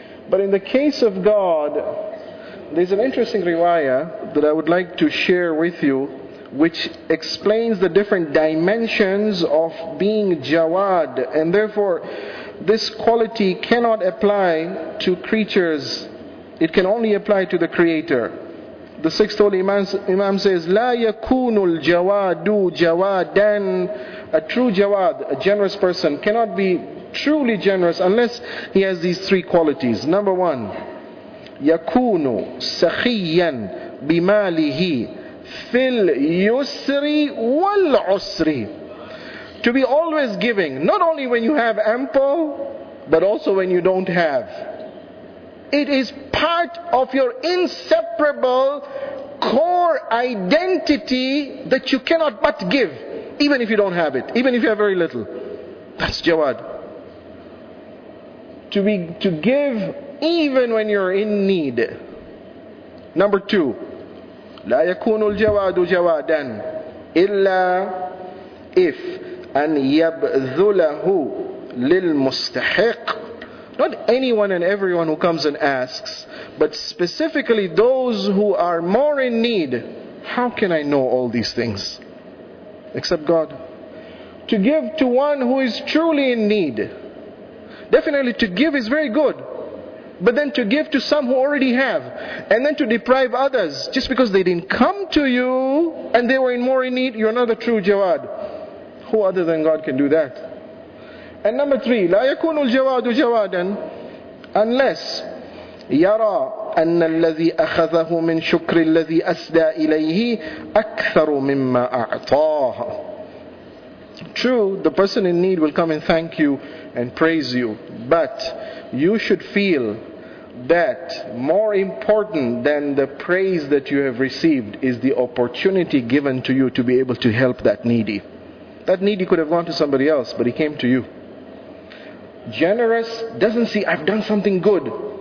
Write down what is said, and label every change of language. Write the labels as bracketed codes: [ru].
[en] But in the case of God, there's an interesting riwayah that I would like to share with you, which explains the different dimensions of being Jawad, and therefore this quality cannot apply to creatures. It can only apply to the Creator. The sixth holy Imam says, [ar] لا يكون الجواد جوادان. [en] A true Jawad, a generous person, cannot be truly generous unless he has these three qualities. Number one, [ar] يكون سخيا بماله في اليسر والعسر. [en] To be always giving, not only when you have ample, but also when you don't have. It is part of your inseparable core identity that you cannot but give, even if you don't have it, even if you have very little. That's Jawad. To give even when you're in need. Number two, [ar] لا يكون الجواد جوادا إلا إف أن يبذله للمستحق. [en] Not anyone and everyone who comes and asks, but specifically those who are more in need. How can I know all these things except God? To give to one who is truly in need. Definitely to give is very good. But then to give to some who already have, and then to deprive others just because they didn't come to you and they were in more in need, you're not a true Jawad. Who other than God can do that? And number three, [ar] لا يكون الجواد جوادا [en] unless [ar] يرى أن الذي أخذه من شكر الذي أسدى إليه أكثر مما أعطاه. [en] True, the person in need will come and thank you and praise you, but you should feel that more important than the praise that you have received is the opportunity given to you to be able to help that needy. That needy could have gone to somebody else, but he came to you. Generous doesn't see, I've done something good.